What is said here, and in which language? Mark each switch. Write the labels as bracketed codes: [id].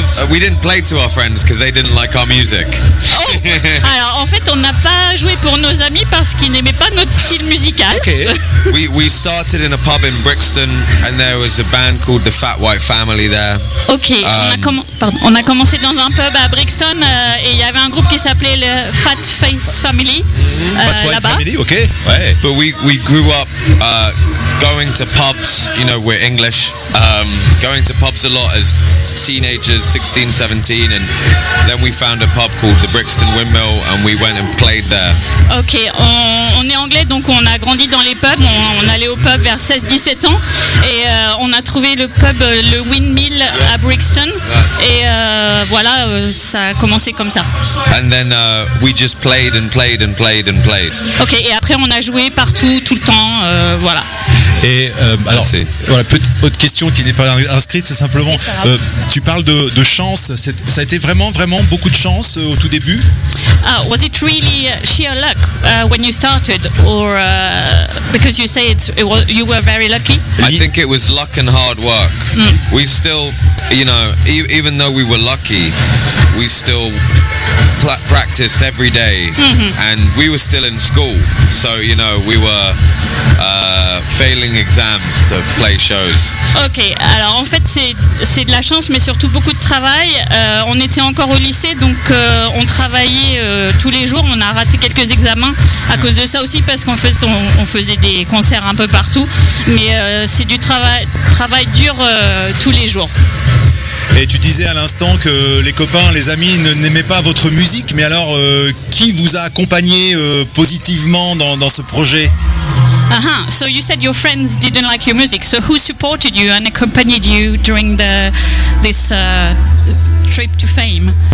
[en] We didn't play to our friends because they didn't like our music. Oh. [fr] Alors en fait on n'a pas joué pour nos amis parce qu'ils n'aimaient pas notre style musical. [en] Okay. We started in a pub in Brixton and there was a band called the Fat White Family there. [fr] Ok, on a commencé dans un pub à Brixton et il y avait un groupe qui s'appelait le Fat Face Family. Fat White là-bas. Family, ok. Ouais. [en] But we grew up going to pubs, you know, we're English, going to pubs a lot as teenagers, 16, 17, and then we found a pub called the Brixton Windmill and we went and played there. [fr] Ok, on est anglais donc on a grandi dans les pubs, on allait au pub vers 16-17 ans et on a trouvé le pub, le Windmill à Brixton, et voilà, ça a commencé comme ça. [en] And then we just played and played and played and played. [fr] Ok, et après on a joué partout, tout le temps, voilà. Et alors, voilà, autre question qui n'est pas inscrite, c'est simplement, tu parles de chance. Ça a été vraiment, vraiment beaucoup de chance au tout début. [en] Was it really sheer luck when you started, or because you say you were very lucky? I think it was luck and hard work. We still, you know, even though we were lucky, we still practiced every day, and we were still in school, so you know we were failing exams to play shows. [fr] Ok, alors en fait c'est de la chance, mais surtout beaucoup de travail. On était encore au lycée, donc on travaillait tous les jours. On a raté quelques examens à cause de ça aussi, parce qu'en fait on faisait des concerts un peu partout, mais c'est du travail dur tous les jours. Et tu disais à l'instant que les copains, les amis n'aimaient pas votre musique, mais alors qui vous a accompagné positivement dans ce projet? Uh-huh. [en] So you said your friends didn't like your music. So who supported you and accompanied you during this trip to fame?